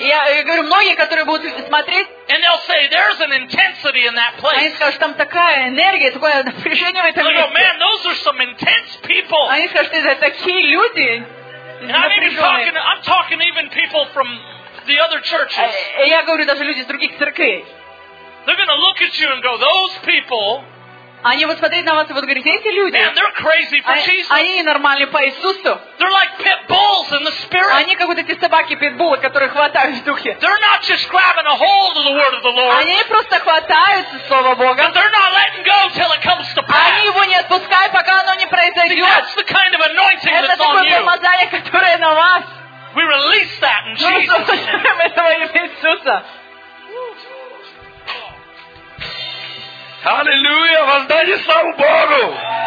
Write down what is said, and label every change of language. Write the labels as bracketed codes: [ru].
[ru] Я говорю, многие, которые будут смотреть. [en] And they'll say there's an intensity in that place. [ru] Они скажут, там такая энергия, такое напряжение в этом месте. [en] They'll go, man, those are some intense people. [ru] Они скажут, это такие люди. [en] I'm talking even people from the other churches. [ru] Я говорю даже люди из других церквей. [en] They're gonna look at you and go, those people. [ru] Они вот смотрят на вас и вот говорят, эти люди. [en] Man, they're crazy for Jesus. [ru] Они ненормальны по Иисусу. [en] They're like pit bulls in the spirit. [ru] Они как вот эти собаки питбулы, которые хватают в духе. [en] They're not just grabbing a hold of the word of the Lord. [ru] Они просто хватаются слова Бога. [en] And they're not letting go till it comes to pass. [ru] Они его не отпускают, пока оно не произойдет. [en] See, that's the kind of anointing [ru] это [en] that's on you. [ru] Это такое помазание, которое на вас. [en] We release that in Jesus. [ru] Мы освобождаем это в Иисуса. Аллилуйя! Воздайте славу Богу!